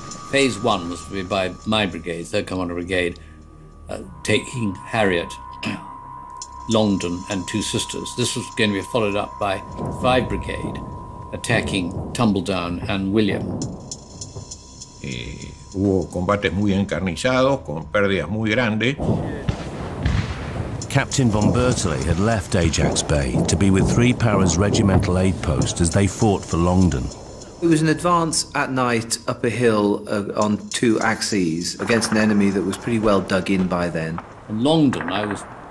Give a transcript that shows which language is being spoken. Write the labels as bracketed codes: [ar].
[en] Phase one was to be by my brigade, 3rd Commander Brigade, taking Harriet, Longdon, and two sisters. This was going to be followed up by 5 Brigade, attacking Tumbledown and William. [es] Hubo combates muy encarnizados, con pérdidas muy grandes. [en] Captain von Bertley had left Ajax Bay to be with 3 Powers Regimental Aid Post as they fought for Longdon. It was an advance at night up a hill on 2 axes against an enemy that was pretty well dug in by then. And Longdon, I was